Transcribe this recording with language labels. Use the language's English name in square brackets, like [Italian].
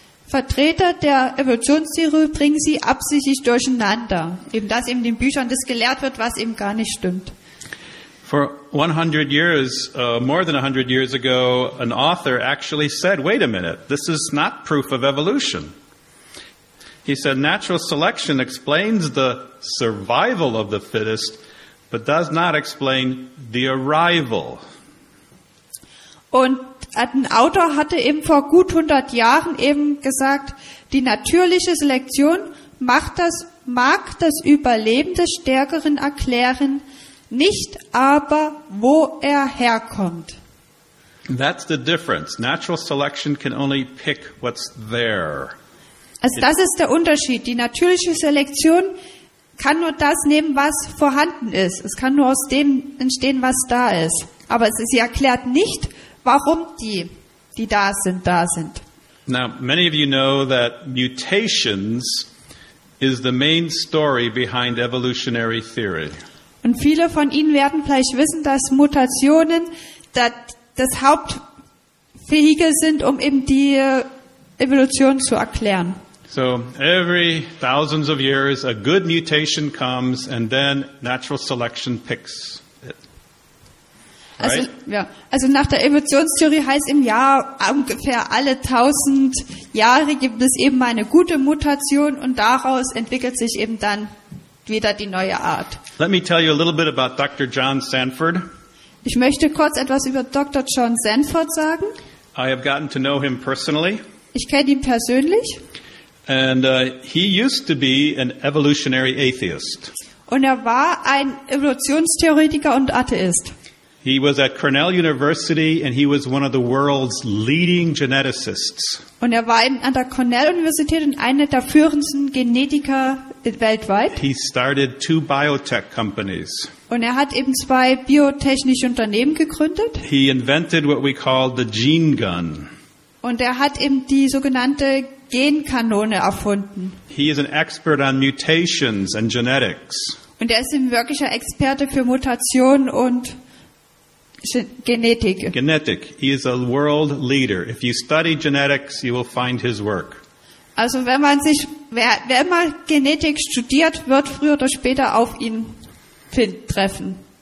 [German] Vertreter der Evolutionstheorie bringen sie absichtlich durcheinander. Eben das eben in den Büchern, das gelehrt wird, was eben gar nicht stimmt. [English] For 100 years, more than 100 years ago, an author actually said, wait a minute, this is not proof of evolution. He said, natural selection explains the survival of the fittest, but does not explain the arrival. [German] Und ein Autor hatte eben vor gut 100 Jahren eben gesagt, die natürliche Selektion mag das Überleben des Stärkeren erklären, nicht aber wo er herkommt. [English] That's the difference. Natural selection can only pick what's there. [German] Also das ist der Unterschied. Die natürliche Selektion kann nur das nehmen, was vorhanden ist. Es kann nur aus dem entstehen, was da ist. Aber sie erklärt nicht, warum die da sind, da sind. [English] Now, many of you know that mutations is the main story behind evolutionary theory. [German] Und viele von Ihnen werden vielleicht wissen, dass Mutationen das Hauptvehikel sind, um eben die Evolution zu erklären. [English] So every thousands of years a good mutation comes and then natural selection picks it. Also, right? [German] Ja. Also nach der Evolutionstheorie heißt im Jahr ungefähr alle 1000 Jahre gibt es eben eine gute Mutation und daraus entwickelt sich eben dann wieder die neue Art. [English] Let me tell you a little bit about Dr. John Sanford. [German] Ich möchte kurz etwas über Dr. John Sanford sagen. [English] I have gotten to know him personally. [German] Ich kenne ihn persönlich. [English] And he used to be an evolutionary atheist. [German] Und er war ein Evolutionstheoretiker und Atheist. [English] He was at Cornell University and he was one of the world's leading geneticists. [German] Und er war an der Cornell Universität und einer der führendsten Genetiker weltweit. [English] He started two biotech companies. [German] Und er hat eben zwei biotechnische Unternehmen gegründet. [English] He invented what we call the gene gun. [German] Und er hat eben die sogenannte Genkanone erfunden. [English] He is an expert on mutations and genetics. [German] Und er ist ein wirklicher Experte für Mutationen und Genetik. [English] Genetic. He is a world leader. If you study genetics, you will find his work. [German] Also wenn man sich, wer immer Genetik studiert, wird früher oder später auf ihn treffen.